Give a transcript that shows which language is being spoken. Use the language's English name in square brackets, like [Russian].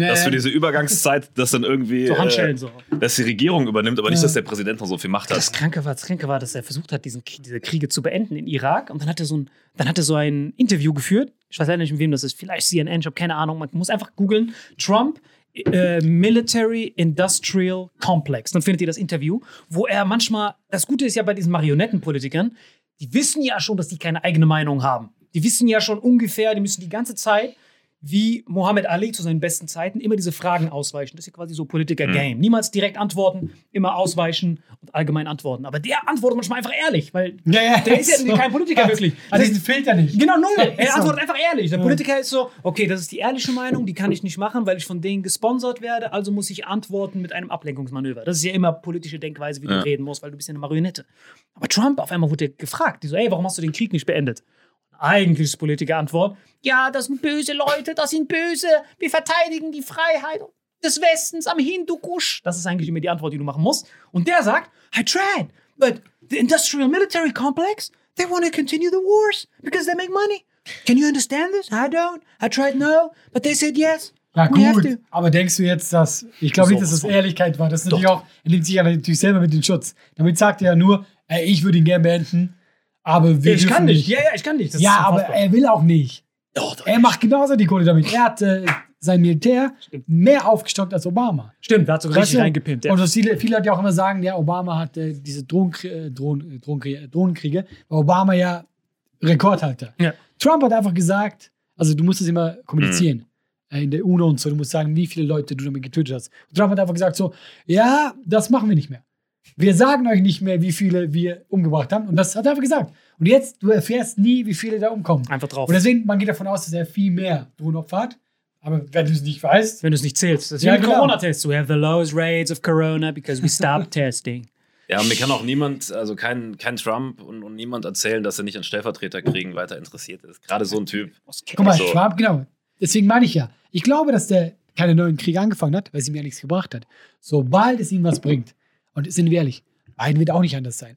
[German] dass für diese Übergangszeit, dass dann irgendwie, so Handschellen, so. Dass die Regierung übernimmt, aber nicht, dass der Präsident noch so viel Macht hat. Das Kranke war, dass er versucht hat, diese Kriege zu beenden in Irak. Und dann hat er so ein Interview geführt. Ich weiß nicht, mit wem das ist. Vielleicht CNN, ich habe keine Ahnung. Man muss einfach googeln. Trump. [English] Military Industrial Complex. [German] Dann findet ihr das Interview, wo er manchmal, das Gute ist ja bei diesen Marionettenpolitikern, die wissen ja schon, dass die keine eigene Meinung haben. Die wissen ja schon ungefähr, die müssen die ganze Zeit wie Muhammad Ali zu seinen besten Zeiten immer diese Fragen ausweichen. Das ist ja quasi so Politiker-Game. Mhm. Niemals direkt antworten, immer ausweichen und allgemein antworten. Aber der antwortet manchmal einfach ehrlich, weil der ist ja so kein Politiker wirklich. Also diesen Filter nicht. Genau, null. Er antwortet einfach ehrlich. Der Politiker ist so, okay, das ist die ehrliche Meinung, die kann ich nicht machen, weil ich von denen gesponsert werde, also muss ich antworten mit einem Ablenkungsmanöver. Das ist ja immer politische Denkweise, wie du reden musst, weil du bist ja eine Marionette. Aber Trump, auf einmal wurde gefragt, die so, ey, warum hast du den Krieg nicht beendet? Eigentlich ist Politiker-Antwort, ja, das sind böse Leute, das sind böse, wir verteidigen die Freiheit des Westens am Hindukusch. Das ist eigentlich immer die Antwort, die du machen musst. Und der sagt, [English] I tried, but the industrial military complex, they want to continue the wars because they make money. Can you understand this? I don't. I tried no, but they said yes. [German] Ja, gut, aber denkst du jetzt, dass, ich glaube nicht, dass das Ehrlichkeit war, das natürlich auch, er nimmt sich ja natürlich selber mit den Schutz. Damit sagt er ja nur, ey, ich würde ihn gerne beenden. Aber wir ich kann nicht. Ja, ich kann nicht. Das ja, ist aber er will auch nicht. Er macht genauso die Kohle damit. Er hat sein Militär mehr aufgestockt als Obama. Stimmt, da hat sogar richtig reingepimpt. Und das viele Leute auch immer sagen, ja, Obama hat diese Drohnenkriege. Obama ja Rekordhalter. Ja. Trump hat einfach gesagt, also du musst das immer kommunizieren. In der UNO und so. Du musst sagen, wie viele Leute du damit getötet hast. Und Trump hat einfach gesagt so, ja, das machen wir nicht mehr. Wir sagen euch nicht mehr, wie viele wir umgebracht haben. Und das hat er einfach gesagt. Und jetzt, du erfährst nie, wie viele da umkommen. Einfach drauf. Und deswegen, man geht davon aus, dass er viel mehr Drohnenopfer hat. Aber wenn du es nicht weißt. Wenn du es nicht zählst. Das ist ja ein Corona-Test. [English] We have the lowest rates of Corona because we stopped testing. [German] Ja, und mir kann auch niemand, also kein Trump und niemand erzählen, dass er nicht an Stellvertreterkriegen weiter interessiert ist. Gerade so ein Typ. Guck mal, also, Trump, genau. Deswegen meine ich ja. Ich glaube, dass der keine neuen Kriege angefangen hat, weil es ihm ja nichts gebracht hat. Sobald es ihm was bringt. Und sind wir ehrlich, Biden wird auch nicht anders sein.